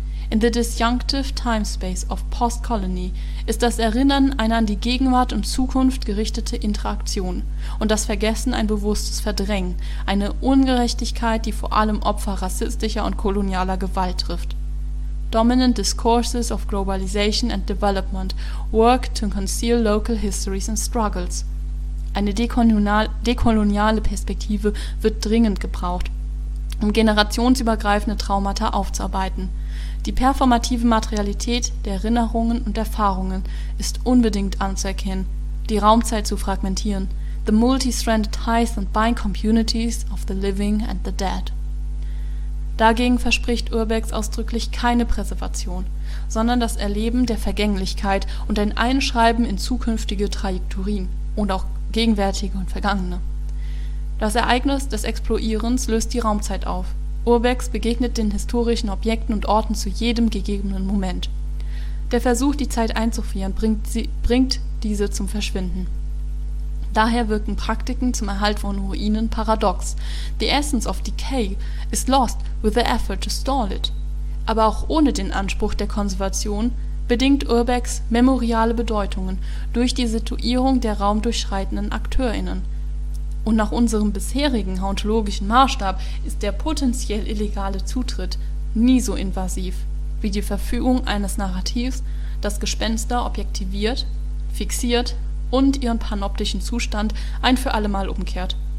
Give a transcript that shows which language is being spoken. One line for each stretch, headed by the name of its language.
English: In the disjunctive timespace of post-colony
German: ist das Erinnern eine an die Gegenwart und Zukunft gerichtete Interaktion und das Vergessen ein bewusstes Verdrängen, eine Ungerechtigkeit, die vor allem Opfer rassistischer und kolonialer Gewalt trifft.
English: Dominant discourses of globalization and development work to conceal local histories and struggles.
German: Eine dekoloniale Perspektive wird dringend gebraucht, um generationsübergreifende Traumata aufzuarbeiten. Die performative Materialität der Erinnerungen und Erfahrungen ist unbedingt anzuerkennen, die Raumzeit zu fragmentieren.
English: The multi-stranded ties and bind communities of the living and the dead.
German: Dagegen verspricht Urbex ausdrücklich keine Präservation, sondern das Erleben der Vergänglichkeit und ein Einschreiben in zukünftige Trajektorien und auch gegenwärtige und vergangene. Das Ereignis des Explorierens löst die Raumzeit auf. Urbex begegnet den historischen Objekten und Orten zu jedem gegebenen Moment. Der Versuch, die Zeit einzufrieren, bringt diese zum Verschwinden. Daher wirken Praktiken zum Erhalt von Ruinen paradox.
English: The essence of decay is lost with the effort to stall it.
German: Aber auch ohne den Anspruch der Konservation bedingt Urbex memoriale Bedeutungen durch die Situierung der raumdurchschreitenden AkteurInnen. Und nach unserem bisherigen ontologischen Maßstab ist der potenziell illegale Zutritt nie so invasiv wie die Verfügung eines Narrativs, das Gespenster objektiviert, fixiert und ihren panoptischen Zustand ein für allemal umkehrt.